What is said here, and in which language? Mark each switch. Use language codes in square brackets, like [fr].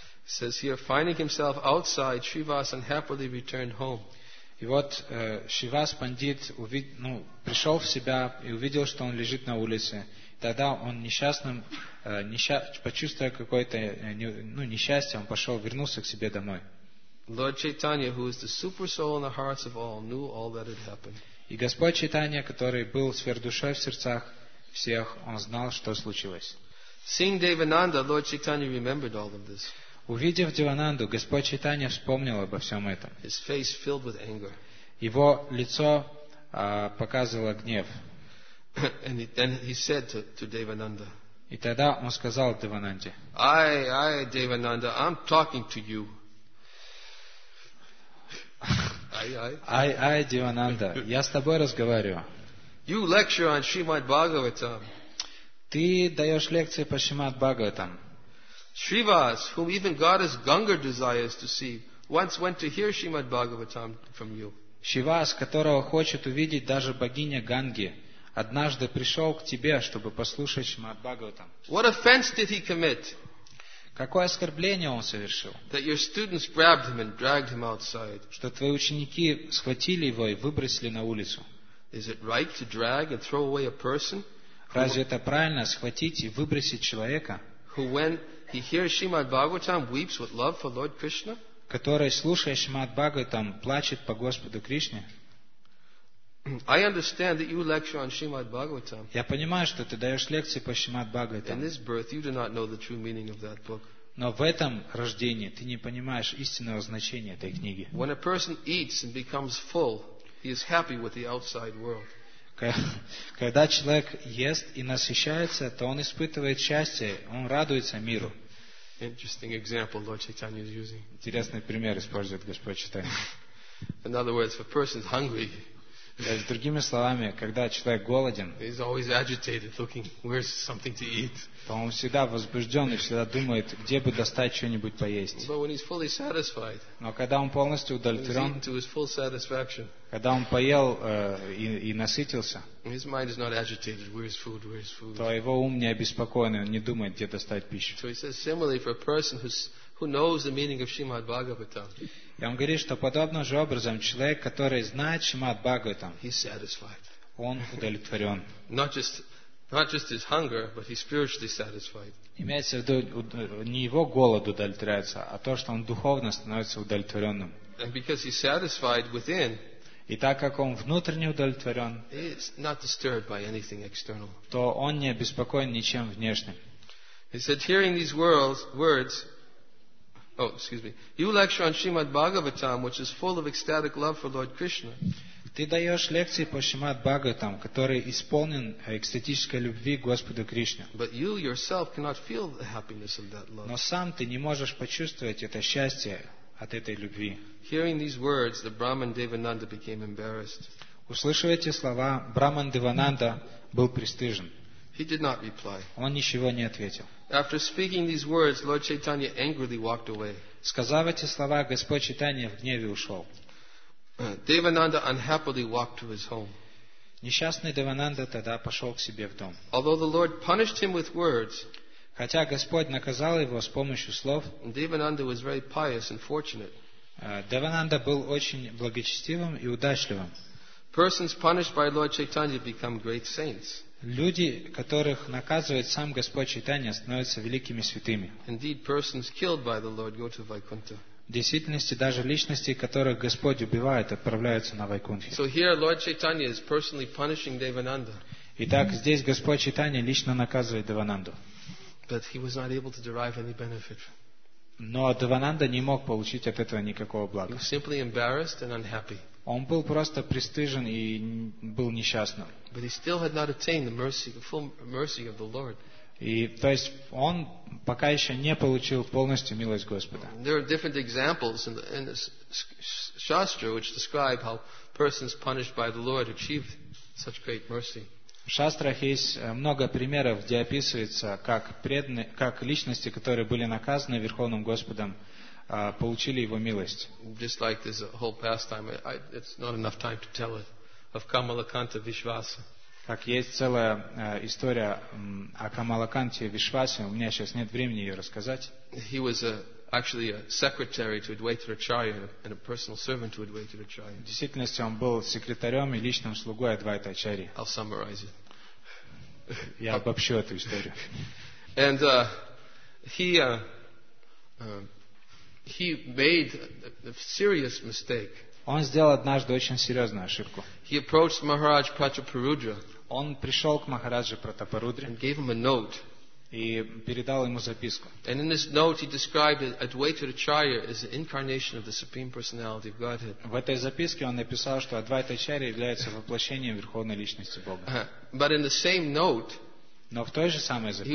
[en] It says here, finding himself outside, Shivas unhappily returned home. [ru] И вот Шивас Пандит пришел в себя и увидел, что он лежит на улице. Тогда он несчастным, почувствовав какое-то несчастье, он пошел, вернулся к себе домой. [en] Lord Chaitanya, who is the super soul in the hearts of all, knew all that had happened. [ru] И Господь Чайтанья, который был сверхдушой в сердцах всех, он знал, что случилось. [en] Seeing Devananda, Lord Chaitanya remembered all of this. [ru] Увидев Девананду, Господь Чайтанья вспомнил обо всем этом. [en] His face filled with anger. [ru] Его лицо показывало гнев. [en] And then he said to Devananda. [ru] И тогда он сказал Девананде. [en] I, Devananda, I'm talking to you. [ru] I, Девананда, я с тобой разговариваю. [en] You lecture on Shrimad Bhagavatam. [ru] Ты даешь лекции по Шримад Бхагаватам. [en] Shrivas, whom even goddess Ganga desires to see, once went to hear Shrimad Bhagavatam from you. [ru] Shrivas, которого хочет увидеть даже богиня Ганги, однажды пришел к тебе, чтобы послушать Шримад Бхагаватам. [en] What offense did he commit? [ru] Какое оскорбление он совершил? [en] That your students grabbed him and dragged him outside. [ru] Что твои ученики схватили его и выбросили на улицу. [en] Is it right to drag and throw away a person? [ru] Разве это правильно схватить и выбросить человека? [en] Who went He hears Shrimad Bhagavatam weeps with love for Lord Krishna. [ru] Который, слушая Шримад Бхагаватам, плачет по Господу Кришне. [en] I understand that you lecture on Srimad Bhagavatam. [ru] Я понимаю, что ты даёшь лекции по Шримад Бхагаватам. [en] In this birth, you do not know the true meaning of that book. [ru] Но в этом рождении ты не понимаешь истинного значения этой книги. [en] When a person eats and becomes full, he is happy with the outside world. [ru] Когда человек ест и насыщается, то он испытывает счастье, он радуется миру. [en] Interesting example Lord Chaitanya is using. [ru] Интересный пример использует Господь Чайтанья. [en] In other words, if a person is hungry. [ru] Другими словами, когда человек голоден, [en] he's always agitated, looking, where's something to eat. [ru] Он всегда возбужден и всегда думает, где бы достать что-нибудь поесть. [en] But when he's fully satisfied, [ru] но когда он полностью удовлетворен, [en] to his full satisfaction, [ru] когда он поел и насытился, [en] his mind is not agitated, where's food, where's food. [ru] То его ум не обеспокоен, он не думает, где достать пищу. [en] So he says similarly for a person who knows the meaning of Srimad Bhagavatam. [ru] И он говорит, что подобным же образом человек, который знает Шримад Бхагаватам, [en] he's satisfied. [ru] Он удовлетворен. [en] Not just his hunger, but he's spiritually satisfied. [ru] Имеется в виду, не его голод удовлетворяется, а то, что он духовно становится удовлетворенным. [en] And because he's satisfied within, [ru] и так как он внутренне удовлетворен, [en] he's not disturbed by anything external. [ru] То он не обеспокоен ничем внешним. [en] He said, hearing these words, oh, excuse me. You lecture on Srimad Bhagavatam, which is full of ecstatic love for Lord Krishna. [ru] Ты даешь лекции по Шримад Бхагаватам, который исполнен экстатической любви к Господу Кришне. [en] But you yourself cannot feel the happiness of that love. [ru] Но сам ты не можешь почувствовать это счастье от этой любви. [en] Hearing these words, the Brahman Devananda became embarrassed. [ru] Услышав эти слова, Брахман Девананда был пристыжен. [en] He did not reply. [ru] Он ничего не ответил. [en] After speaking these words, Lord Chaitanya angrily walked away. [ru] Сказав эти слова, Господь Чайтанья в гневе ушел. [en] Devananda unhappily walked to his home. [ru] Несчастный Девананда тогда пошел к себе в дом. [en] Although the Lord punished him with words, [ru] хотя Господь наказал его с помощью слов, [en] Devananda was very pious and fortunate. [ru] Девананда был очень благочестивым и удачливым. [en] Persons punished by Lord Chaitanya become great saints. [ru] Люди, которых наказывает сам Господь Чайтанья, становятся великими святыми. [en] Indeed, persons killed by the Lord go to Vaikuntha. [ru] В действительности, даже личности, которых Господь убивает, отправляются на Вайкунтху. [en] So here Lord Chaitanya is personally punishing Devananda. [ru] Итак, здесь Господь Чайтанья лично наказывает Девананду. [en] But he was not able to derive any benefit. [ru] Но Девананда не мог получить от этого никакого блага. [en] He was simply embarrassed and unhappy. [ru] Он был просто пристыжен и был несчастным. [en] But he still had not attained the mercy, the full mercy of the Lord. [ru] И то есть он пока еще не получил полностью милость Господа. [en] There are different examples in the Shastra which describe how persons punished by the Lord achieve such great mercy. [ru] В шастрах есть много примеров, где описывается, как преданные, как личности, которые были наказаны Верховным Господом, получили его милость. [en] Just like this whole pastime, it's not enough time to tell it. Of Kamalakanta Vishvasa. [ru] Как есть целая история о Камалаканте Вишвасе, у меня сейчас нет времени ее рассказать. [en] He was actually a secretary to Advaita Acharya and a personal servant to Advaita Acharya. [ru] В действительности он был секретарем и личным слугой Адвайта Ачарьи. [en] I'll summarize it. [ru] Я обобщу эту историю. [en] And he made a serious mistake. [ru] Он сделал однажды очень серьезную ошибку. [en] He approached Maharaj Pratapurudra. [ru] Он пришел к Махараджу Пратапарудре. [en] And gave him a note. [ru] И передал ему записку. [en] And in this note he described Advaita Acharya as the incarnation of the Supreme Personality of Godhead. [ru] В этой записке он написал, что Адвайта Ачарья является воплощением Верховной Личности Бога. [en] But in the same note, [ru] но в той же самой записке,